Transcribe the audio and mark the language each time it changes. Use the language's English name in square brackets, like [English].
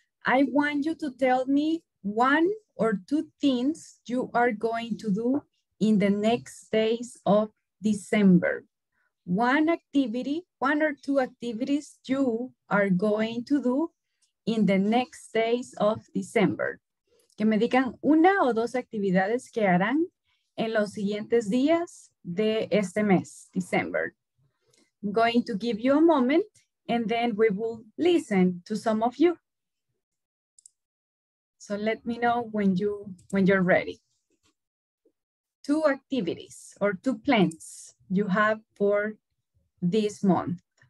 [English] I want you to tell me one or two things you are going to do in the next days of December. One activity, one or two activities you are going to do in the next days of December. [Spanish] Que me digan una o dos actividades que harán en los siguientes días de este mes, December. [English] I'm going to give you a moment and then we will listen to some of you. So let me know when you're ready. Two activities or two plans you have for this month.